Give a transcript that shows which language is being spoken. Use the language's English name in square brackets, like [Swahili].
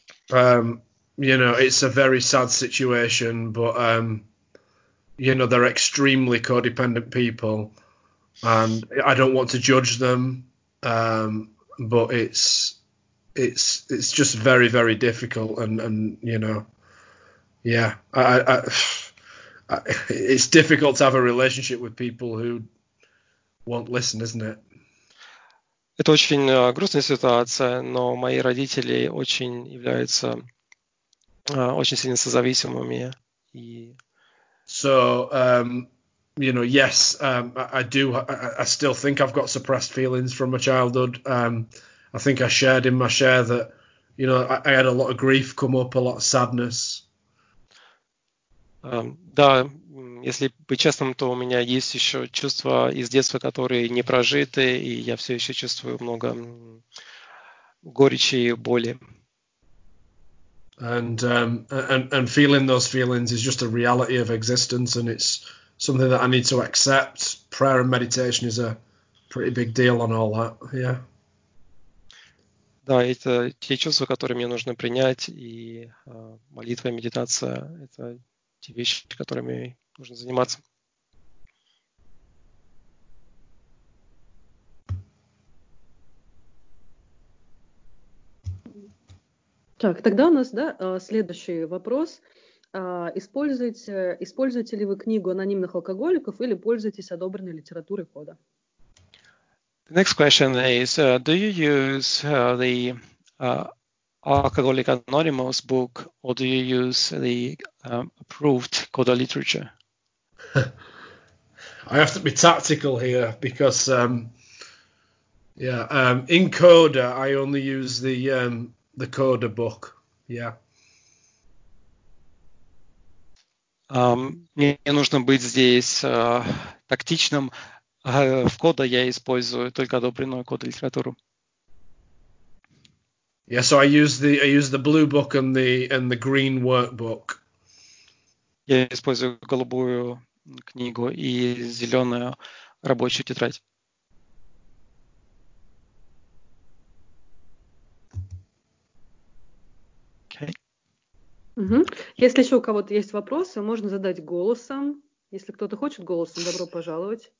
[English] You know, it's a very sad situation, but, you know, they're extremely codependent people, and I don't want to judge them, but it's just very, very difficult, and you know, yeah, I it's difficult to have a relationship with people who won't listen, isn't it? [Russian] Это очень грустная ситуация, но мои родители очень являются очень сильно созависимыми. [English] So, you know, yes, I still think I've got suppressed feelings from my childhood. I think I shared in my share that, you know, I had a lot of grief come up, a lot of sadness. [Russian] Да, если быть честным, то у меня есть еще чувства из детства, которые не прожиты, и я все еще чувствую много горечи и боли. [English] And feeling those feelings is just a reality of existence, and it's something that I need to accept. Prayer and meditation is a pretty big deal on all that, yeah. [Russian] Да, это те чувства, которые мне нужно принять, и молитва и медитация – это те вещи, которыми нужно заниматься. Так, тогда у нас, да, следующий вопрос. Используете ли вы книгу анонимных алкоголиков или пользуетесь одобренной литературой кода? [English] The next question is, do you use the Alcoholic Anonymous book, or do you use the approved CODA literature? I have to be tactical here because, in CODA, I only use the CODA book. Yeah. [Russian] Мне нужно быть здесь тактичным. В CODA я использую только одобренную CODA литературу. [English] Yeah, so I use the blue book and the green workbook. [Russian] Я использую голубую книгу и зеленую рабочую тетрадь. [English] Okay. [Russian] Угу. Если еще у кого-то есть вопросы, можно задать голосом. Если кто-то хочет голосом, добро пожаловать.